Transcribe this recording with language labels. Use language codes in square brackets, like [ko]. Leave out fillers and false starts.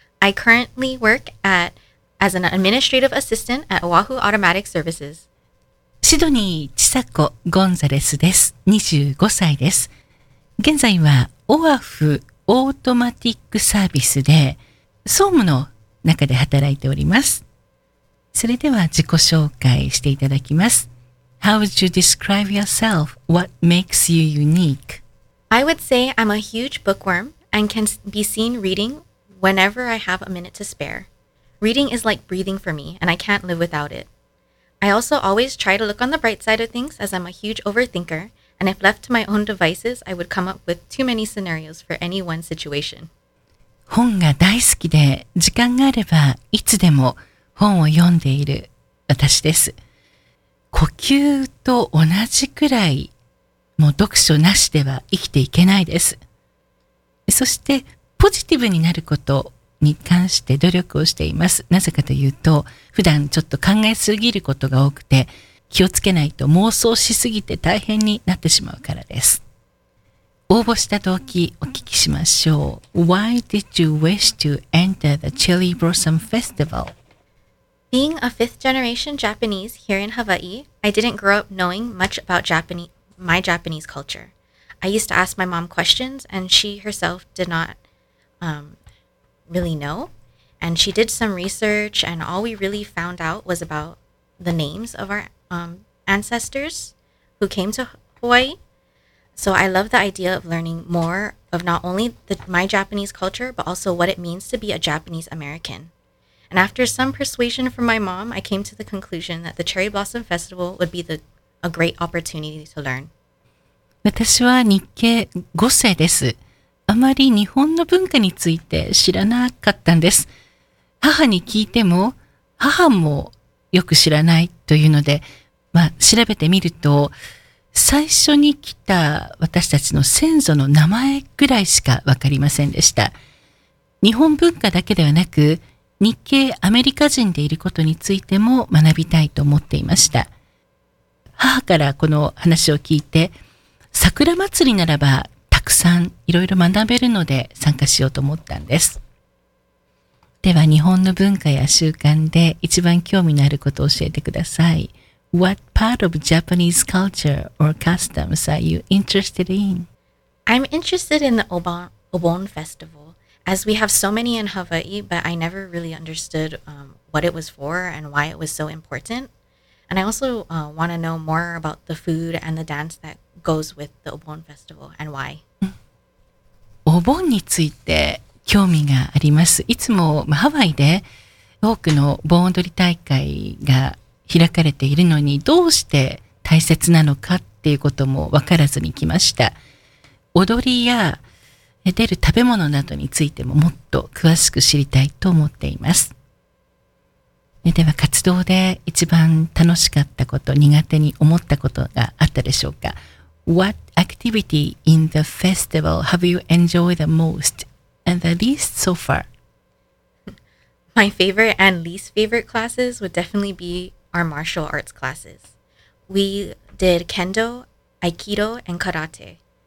[en] I currently work as an administrative assistant at Oahu Automatic Services. [ja] シドニー・チサコ・ゴンザレスです。25歳です。現在はオアフ・オートマティック・サービスで総務の中で働いております。それでは自己紹介していただきます。 [en] How would you describe yourself? What makes you unique? I would say I'm a huge bookworm and can be seen reading whenever I have a minute to spare. Reading is like breathing for me and I can't live without it. I also always try to look on the bright side of things as I'm a huge overthinker and if left to my own devices, I would come up with too many scenarios for any one situation. [ja] 本が大好きで時間があればいつでも本を読んでいる私です。呼吸と同じくらいもう読書なしでは生きていけないです。そしてポジティブになることに関して努力をしています。なぜかというと、普段ちょっと考えすぎることが多くて、気をつけないと妄想しすぎて大変になってしまうからです。応募した動機お聞きしましょう。 [en] Why did you wish to enter the Cherry Blossom Festival? Being a fifth generation Japanese here in Hawaii, I didn't grow up knowing much about my Japanese culture. I used to ask my mom questions and she herself did not really know. And she did some research and all we really found out was about the names of our ancestors who came to Hawaii. So I love the idea of learning more of not only my Japanese culture, but also what it means to be a Japanese American. And after some persuasion from my mom, I came to the conclusion that the Cherry Blossom Festival would be a great opportunity to learn. [ja] 私は日系5世です。あまり日本の文化について知らなかったんです。母に聞いても、母もよく知らないというので、まあ、調べてみると、最初に来た私たちの先祖の名前ぐらいしかわかりませんでした。日本文化だけではなく、日系アメリカ人でいることについても学びたいと思っていました。母からこの話を聞いて、桜祭りならばたくさんいろいろ学べるので参加しようと思ったんです。では日本の文化や習慣で一番興味のあることを教えてください。 [en] What part of Japanese culture or customs are you interested in? I'm interested in the Obon Festival. As we have so many in Hawaii, but I never really understood what it was for and why it was so important. And I also want to know more about the food and the dance that goes with the Obon Festival and why. [ja] Obon について興味があります。いつも、まあ、ハワイで多くの盆踊り大会が開かれているのに、どうして大切なのかっていうこともわからずに来ました。踊りや出る食べ物などについてももっと詳しく知りたいと思っています。では活動で一番楽しかったこと、苦手に思ったことがあったでしょうか。 [en] What activity in the festival have you enjoyed the most and the least so far? My favorite and least favorite classes would definitely be our martial arts classes. We did kendo, aikido, and karate.